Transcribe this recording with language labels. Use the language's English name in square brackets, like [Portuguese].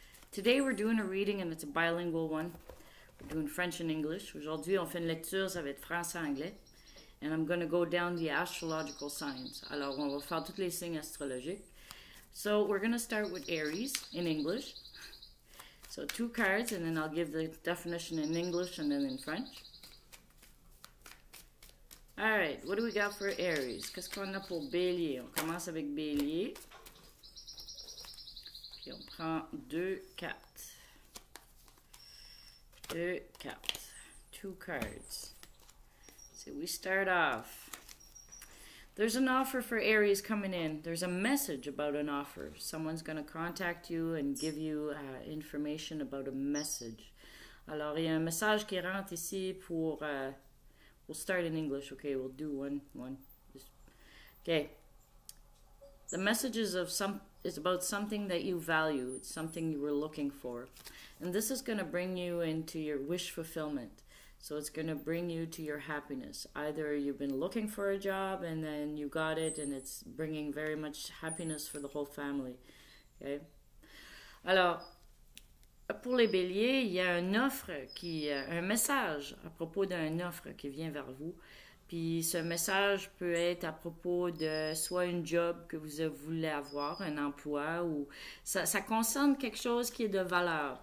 [English] Today we're doing a reading and it's a bilingual one. We're doing French and English. [French] Aujourd'hui, on fait une lecture, ça va être français-anglais. [English] And I'm going to go down the astrological signs. [French] Alors, on va faire tous les signes astrologiques. [English] So, we're going to start with Aries in English. So, two cards and then I'll give the definition in English and then in French. All right, what do we got for Aries? [French] Qu'est-ce qu'on a pour Bélier? On commence avec Bélier. Puis on prend deux cartes. Deux cartes. [English] Two cards. So we start off. There's an offer for Aries coming in. There's a message about an offer. Someone's going to contact you and give you information about a message. [French] Alors, il y a un message qui rentre ici pour... [English] We'll start in English, okay? We'll do one. Okay. The message is is about something that you value. It's something you were looking for. And this is going to bring you into your wish fulfillment. So it's going to bring you to your happiness. Either you've been looking for a job and then you got it and it's bringing very much happiness for the whole family. Okay? [French] Alors, pour les béliers, il y a une offre, un message à propos d'une offre qui vient vers vous. Puis ce message peut être à propos de soit un job que vous voulez avoir, un emploi, ou ça concerne quelque chose qui est de valeur.